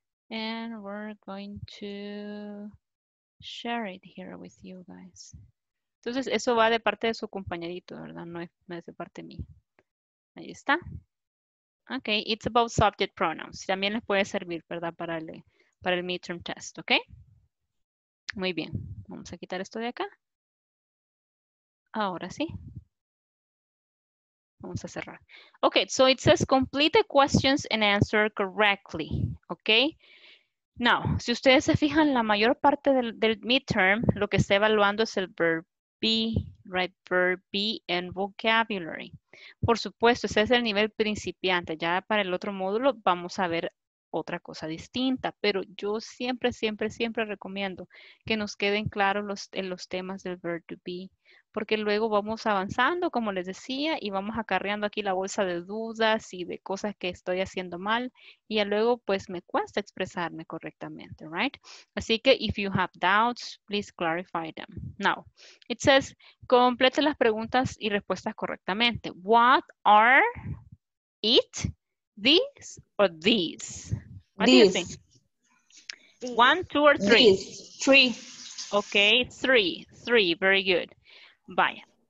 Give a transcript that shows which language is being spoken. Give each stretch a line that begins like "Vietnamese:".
English: And we're going to share it here with you guys.
Spanish: Entonces, eso va de parte de su compañerito, ¿verdad? No es de parte mía. Ahí está.
English: Ok, it's about subject pronouns.
Spanish: También les puede servir, ¿verdad? Para el midterm test, ¿ok? Muy bien. Vamos a quitar esto de acá. Ahora sí. Vamos a cerrar.
English: Ok, so it says complete the questions and answer correctly, ¿ok?
Spanish: Now, si ustedes se fijan, la mayor parte del midterm, lo que está evaluando es el verb be, right?
English: Verb be and vocabulary.
Spanish: Por supuesto, ese es el nivel principiante. Ya para el otro módulo vamos a ver otra cosa distinta, pero yo siempre, siempre, siempre recomiendo que nos queden claros los temas del verb to be, porque luego vamos avanzando, como les decía, y vamos acarreando aquí la bolsa de dudas y de cosas que estoy haciendo mal, y ya luego pues me cuesta expresarme correctamente, right? Así que
English: if you have doubts, please clarify them. Now, it says, complete
Spanish: las preguntas y respuestas correctamente.
English: What are it? These or these? What these. Do you think? One, two, or three? Three. Okay, three. Three, very good. Vaya.